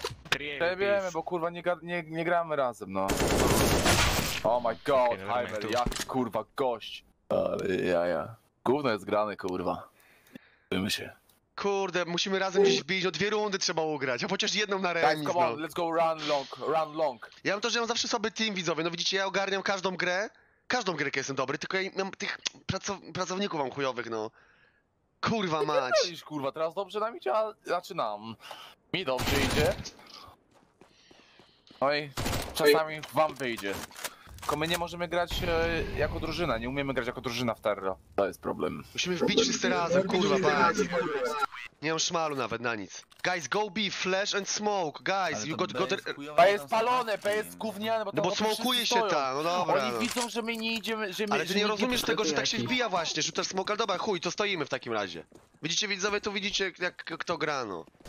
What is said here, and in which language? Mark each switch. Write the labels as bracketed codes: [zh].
[pl] Przejebiemy, bo kurwa nie gramy razem, no. [en] Oh my god, okay, [pl] Hyper, jak kurwa gość. Ale ja. Gówno jest grane, kurwa. Zdajmy się. Kurde, musimy razem gdzieś wbić, o dwie rundy trzeba ugrać, a chociaż jedną na remis. [en] Guys, come on, let's go run long. [pl] Ja mam to, że mam zawsze sobie team, widzowie, no widzicie, ja ogarniam każdą grę. Każdą grę jestem dobry, tylko ja mam tych pracowników mam chujowych, no. Kurwa mać. Nie kurwa, teraz dobrze nam idzie, a zaczynam. Mi dobrze idzie. Oj, czasami wam wyjdzie. Tylko my nie możemy grać jako drużyna, nie umiemy grać jako drużyna w Terro. To jest problem. Musimy wbić wszyscy razem, kurwa, bać. Nie mam szmalu nawet na nic. [en] Guys, go B, flash and smoke, guys, you got... [pl] B jest palone, B jest gówniane, bo tam... No bo smokuje się ta, no dobra. Oni widzą, że my nie idziemy, że my... Ale ty nie rozumiesz tego, że tak się wbija właśnie, że ten smoke, ale dobra, chuj, to stoimy w takim razie. Widzicie, widzowie, tu widzicie, jak kto gra, no.